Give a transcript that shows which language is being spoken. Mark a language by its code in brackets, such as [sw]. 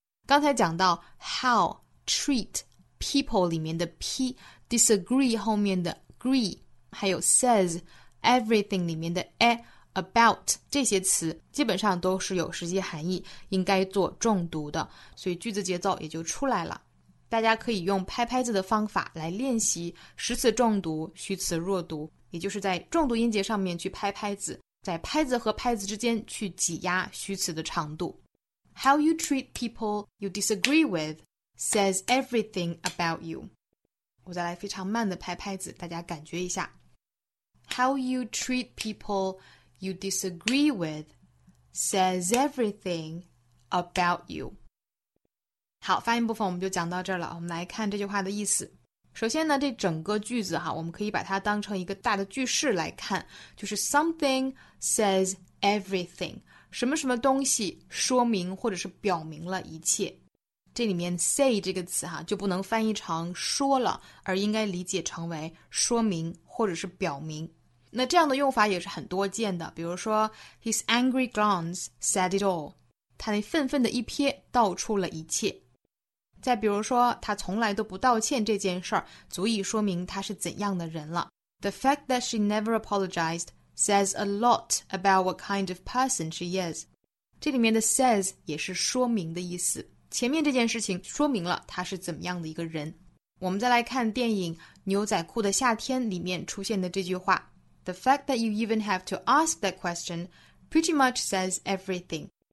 [zh] 刚才讲到 how treat people 里面的 p, disagree 后面的 agree, 还有 says everything 里面的 a, about, 这些词基本上都是有实际含义，应该做重读的，所以句子节奏也就出来了。大家可以用拍拍子的方法来练习实词重读、虚词弱读，也就是在重读音节上面去拍拍子，在拍子和拍子之间去挤压虚词的长度。 [en] How you treat people you disagree with says everything about you. [zh] 我再来非常慢的拍拍子，大家感觉一下。 [en] How you treat people you disagree with says everything about you. [zh] 好，发音部分我们就讲到这儿了。我们来看这句话的意思。首先呢，这整个句子哈，我们可以把它当成一个大的句式来看，就是 something says everything， 什么什么东西说明或者是表明了一切。这里面 say 这个词哈，就不能翻译成说了，而应该理解成为说明或者是表明。那这样的用法也是很多见的，比如说 [en] his angry glance said it all， [zh] 他那愤愤的一瞥道出了一切。再比如说他从来都不道歉这件事儿，足以说明他是怎样的人了。 [en] The fact that she never apologized says a lot about what kind of person she is. [zh] 这里面的 says 也是说明的意思，前面这件事情说明了他是怎么样的一个人。我们再来看电影《牛仔裤的夏天》里面出现的这句话， [en] The fact that you even have to ask that question pretty much says everything.